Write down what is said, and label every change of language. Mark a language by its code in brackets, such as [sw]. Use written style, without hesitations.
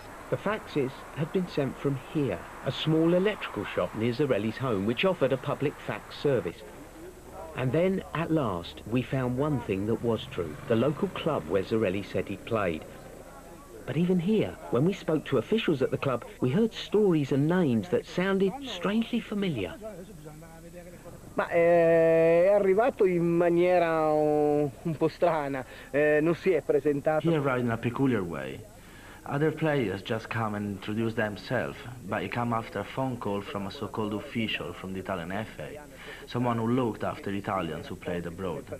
[en] The faxes had been sent from here, a small electrical shop near Zorelli's home, which offered a public fax service. And then, at last, we found one thing that was true, the local club where Zorelli said he'd played. But even here, when we spoke to officials at the club, we heard stories and names that sounded strangely familiar. [it] Ma è arrivato in maniera un po' strana, non si è presentato. [en] He arrived in a peculiar way. Other players just come and introduce themselves, but he come after a phone call from a so-called official from the Italian FA, someone who looked after Italians who played abroad.